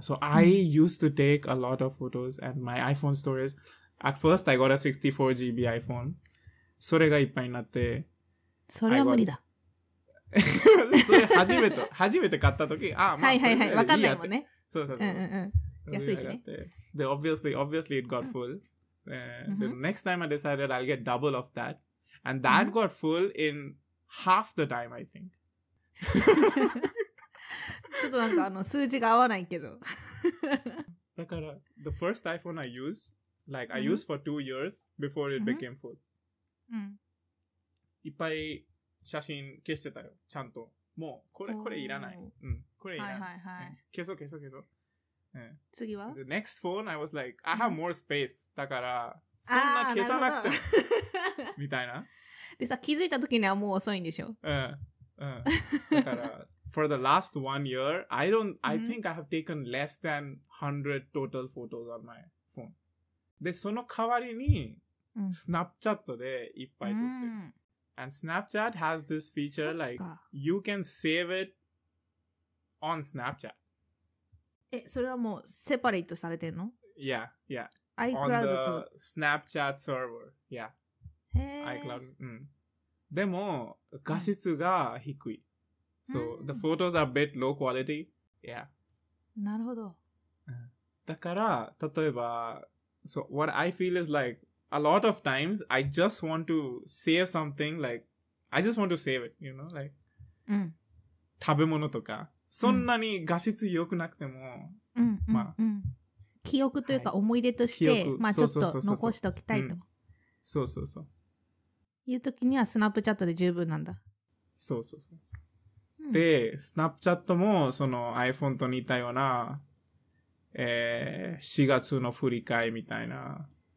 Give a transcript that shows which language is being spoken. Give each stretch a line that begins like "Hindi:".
English: So I used to take a lot of photos and my iPhone storage. At first I got a 64GB iPhone.
Japanese: それがいっぱいになって。それは無理だ。それ初めて買った時、あ、まあ、はいはいはい、わかんないもんね。そうそうそう。うんうんうん、安いしね。
English: で、obviously it got full. The next time I decided I'll get double of that. And that got full in half the time, I think.
Japanese: ちょっとなんかあの数字が合わないけど。
English: だから、the first iPhone I used, like I used for 2 years before it became full.
Japanese: いっぱい写真消してたよ、ちゃんと。もう、これいらない。うん、これいらない。はいはいはい。うん、消そう。うん、次は
English: The next phone, I was like, I have more space.
Japanese: だから、そんな消さなくても。みたいな。でさ、気づいた時にはもう遅いんでしょ。うん。うん。
English: だから、for the last 1 year, I think I have taken less than 100 total photos on my phone.
Japanese: で、その代わりに、Snapchat でいっぱい撮ってる。
English: And Snapchat has this feature, like, you can save it on Snapchat.
Japanese: え、それはもう、セパレートされてんの?
English: Yeah, yeah.
Japanese: iCloud と。
English: Snapchat server. Yeah.
Japanese: へぇー。iCloud. うん。でも、画質が低い。
English: So, the photos are a bit low quality. Yeah.
Japanese: なるほど。だから、例えば、
English: So, what I feel is like, a lot of times, I just want to save something, like, I just want to save it, you know, like,
Japanese: 食べ物とか。そんなに画質良くなくても、まあ、記憶というか思い出として、まあちょっと残しておきたいと。そうそうそう。いうときにはスナップチャットで十分なんだ。そうそうそう。で、スナップチャットもその iPhone と似たような、4月の振り返りみたいな。